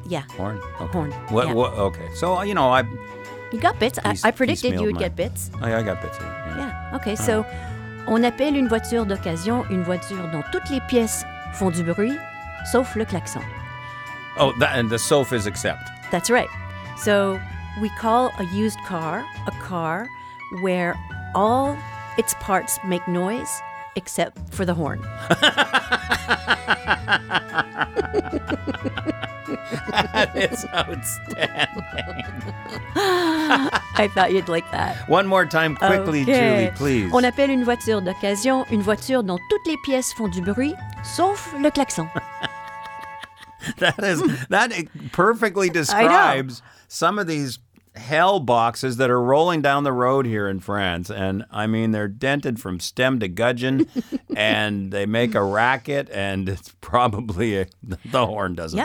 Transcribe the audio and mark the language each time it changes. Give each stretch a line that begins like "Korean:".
English: Yeah. Horn? Okay. Horn. What? Okay. So, you know, You got bits. I predicted you would get bits. I got bits. Yeah. Okay. So.
French: On appelle une voiture d'occasion une voiture dont toutes les pièces font du bruit, sauf le klaxon.
English: Oh, and the sauf is except. That's right. So we call a used car a car where all its parts make noise except for the horn. That is outstanding. I thought you'd like that. One more time, quickly, okay. Julie, please.
French: On appelle une voiture d'occasion une voiture dont toutes les pièces font du bruit, sauf le klaxon.
English: That perfectly describes some of these hell boxes that are rolling down the road here in France. And I mean, they're dented from stem to gudgeon and they make a racket, and it's probably the horn doesn't work.